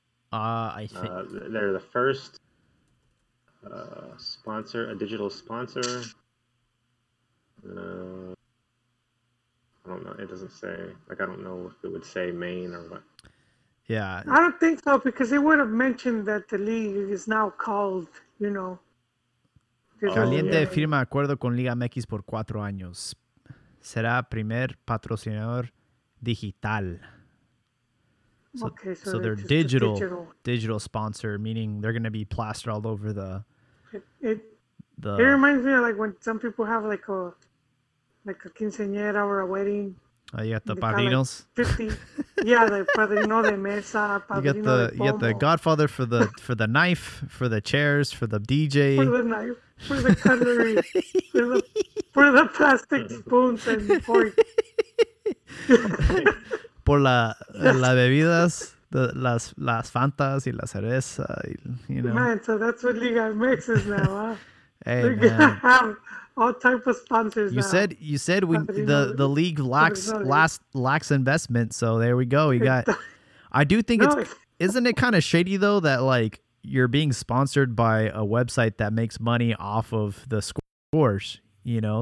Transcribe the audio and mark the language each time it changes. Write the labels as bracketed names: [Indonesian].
[English] They're the first sponsor, a digital sponsor. I don't It doesn't say. Like, I don't know if it would say Maine or what. Yeah. I don't think so, because they would have mentioned that the league is now called, you know. [Spanish] Caliente firma acuerdo con Liga MX por 4 años. Será primer patrocinador digital. [English] So, okay, so they're digital sponsor, meaning they're going to be plastered all over the... It reminds me of like when some people have like a quinceañera or a wedding. Oh, you got the padrinos? Like 50. Yeah, the [Spanish] padrino de mesa, padrino [English] you got the, [Spanish] de pomo. [English] You got the godfather for the knife, for the chairs, for the DJ. For the knife, for the cutlery, for the plastic spoons and forks. [Spanish] Por la bebidas, las Fantas y la cerveza, [English] you know. Man, so that's what Liga MX is now, huh? Hey, man. All type of sponsors. You said we the league lacks investment. So there we go. I do think isn't it kind of shady though that like you're being sponsored by a website that makes money off of the scores, you know?